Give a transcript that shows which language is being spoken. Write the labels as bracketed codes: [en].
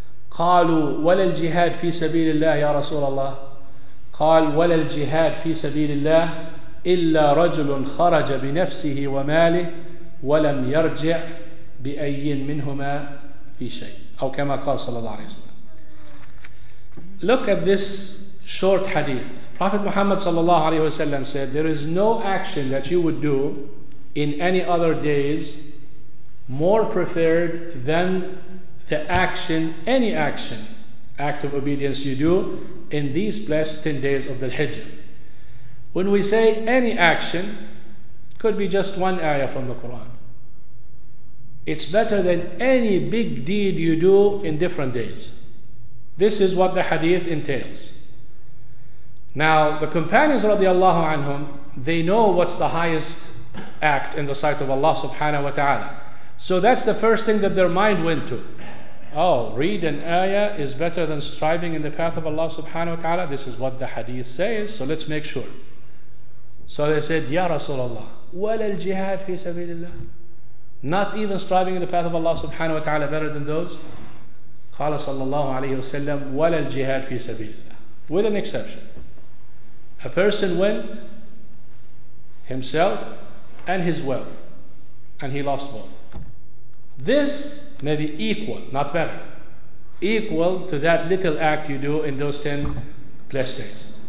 [ar] قالوا ولا الجهاد في سبيل الله يا رسول الله. قال ولا الجهاد في سبيل الله إلا رجل خرج بنفسه وماله ولم يرجع بأي منهما في شيء، أو كما قال صلى الله عليه وسلم. [en] Look at this short hadith. Prophet Muhammad sallallahu alaihi wasallam said, there is no action that you would do in any other days more preferred than the action, any action, act of obedience you do in these blessed 10 days of the Hijjah. When we say any action, could be just one ayah from the Quran. It's better than any big deed you do in different days. This is what the hadith entails. Now, the companions radiallahu anhum, they know what's the highest act in the sight of Allah subhanahu wa ta'ala. So that's the first thing that their mind went to. Oh, read an ayah is better than striving in the path of Allah subhanahu wa ta'ala. This is what the hadith says, so let's make sure. So they said, Ya Rasulullah, [ar] وَلَا الْجِهَاد فِي سَبِيلِ اللَّهِ. [en] Not even striving in the path of Allah subhanahu wa ta'ala better than those? [ar] قال صلى الله عليه وسلم ولا الجهاد في سبيل الله. [en] With an exception. A person went himself and his wealth, and he lost both. This may be equal, not better, equal to that little act you do in those 10 blessed days.